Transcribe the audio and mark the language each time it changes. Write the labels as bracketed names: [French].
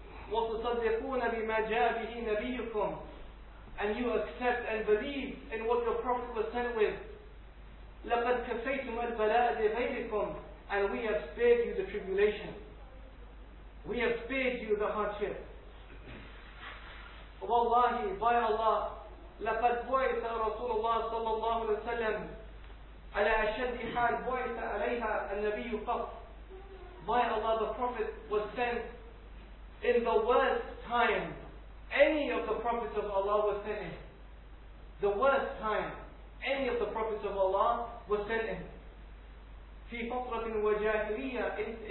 [Arabic] وَتُصَدِّقُونَ بِمَا جَاء بِهِ نَبِيُّكُمْ. [English] And you accept and believe in what your Prophet was sent with. [Arabic] لَقَدْ كَفَيْتُمَ الْبَلَاءَ لِغَيْرِكُمْ. [English] And we have spared you the tribulation. We have spared you the hardship. [Arabic] وَاللَّهِ [English] by Allah, [Arabic] لَقَدْ بُعِثَ رَسُولُ اللَّهِ صَلَّى اللَّهُ عَلَيْهِ وَسَلَّمْ عَلَى أَشَدِّ حَالْ بُعِثَ عَلَيْهَا النَّبِيُّ قَفْ. [English] By Allah, the Prophet was sent in the worst time any of the Prophets of Allah was sent in. The worst time any of the Prophets of Allah was sent in. [Arabic] فِي فَطْرَةٍ وَجَاهِلِيَّةٍ.